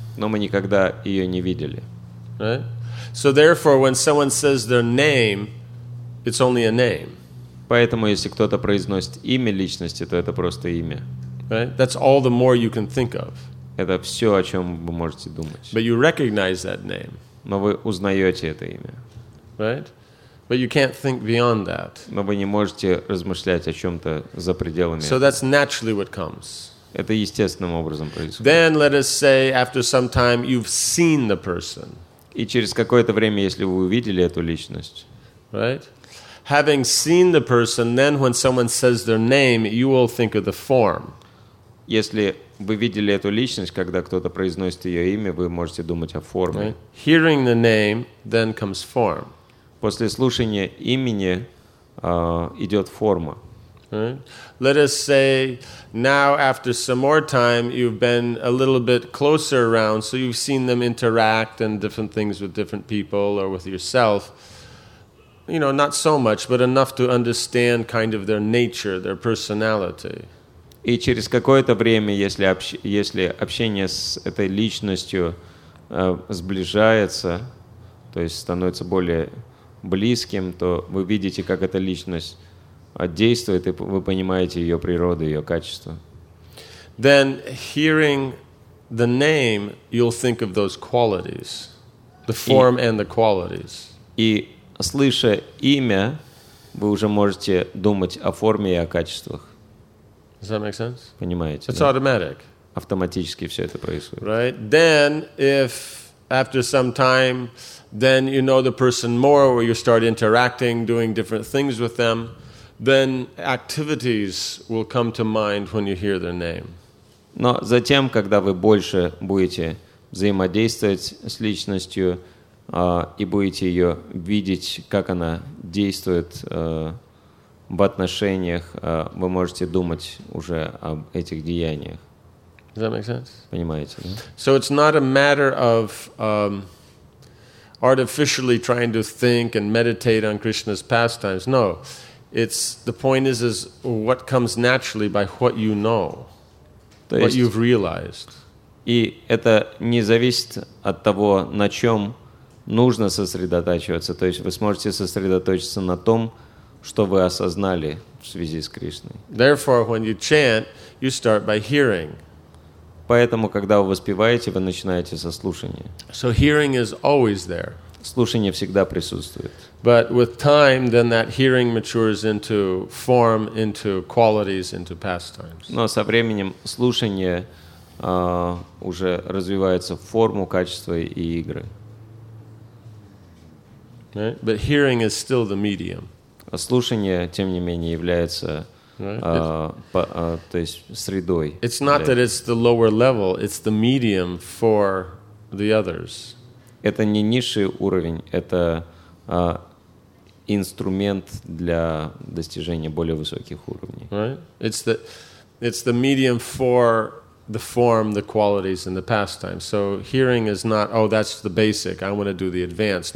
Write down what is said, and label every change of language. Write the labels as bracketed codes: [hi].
[ru] Но мы никогда ее не видели. [en] Right? So therefore, when someone says their name, it's only a name. [ru] Поэтому, если кто-то произносит имя личности, то это просто имя. [en] Right? That's all the more you can think of. [ru] Это все, о чем вы можете думать. [en] But you recognize that name. [ru] Но вы узнаете это имя. [en] Right? But you can't think beyond that. [ru] Но вы не можете размышлять о чем-то за пределами. [en] So that's naturally what comes. [ru] Это естественным образом происходит. [en] Then, let us say, after some time, you've seen the person. [ru] И через какое-то время, если вы увидели эту личность. [en] Right? Having seen the person, then when someone says their name, you will think of the form. [ru] Если вы видели эту личность, когда кто-то произносит ее имя, вы можете думать о форме. [en] Hearing the name, then comes form. [ru] После слушания имени идет форма. [en] Let us say now after some more time you've been a little bit closer around, so you've seen them interact and different things with different people or with yourself. You know, not so much, but enough to understand kind of their nature, their personality. [ru] И через какое-то время, если общение с этой личностью сближается, то есть становится более близким, то вы видите, как эта личность действует, и вы понимаете ее природу, ее качество. [en] Then hearing the name, you'll think of those qualities, the form and the qualities. [ru] И слыша имя, вы уже можете думать о форме и о качествах. [en] Does that make sense? [ru] Понимаете? [en] It's automatic. [ru] Автоматически все это происходит. [en] Right? Then, if after some time, then you know the person more, or you start interacting, doing different things with them, then activities will come to mind when you hear their name. [ru] Но затем, когда вы больше будете взаимодействовать с личностью, и будете ее видеть, как она действует, в отношениях, вы можете думать уже об этих деяниях. [en] Does that make sense? [ru] Понимаете, да? [en] So it's not a matter of artificially trying to think and meditate on Krishna's pastimes. No. It's the point is what comes naturally by what you know, [ru] то [en] what [ru] есть, [en] you've realized. [ru] И это не зависит от того, на чем нужно сосредотачиваться. То есть вы сможете сосредоточиться на том, что вы осознали в связи с Кришной. [en] Therefore, when you chant, you start by hearing. [ru] Поэтому, когда вы воспеваете, вы начинаете со слушания. [en] So hearing is always there. [ru] Слушание всегда присутствует. [en] But with time, then that hearing matures into form, into qualities, into pastimes. [ru] Но со временем слушание уже развивается в форму, качество и игры. [en] Right? But hearing is still the medium. [ru] Слушание, тем не менее, является то есть средой. [en] It's not that it's the lower level, it's the medium for the others. [ru] Это не низший уровень, это инструмент для достижения более высоких уровней. [en] Right? It's the medium for the form, the qualities, and the pastime. So hearing is not, oh, that's the basic, I want to do the advanced.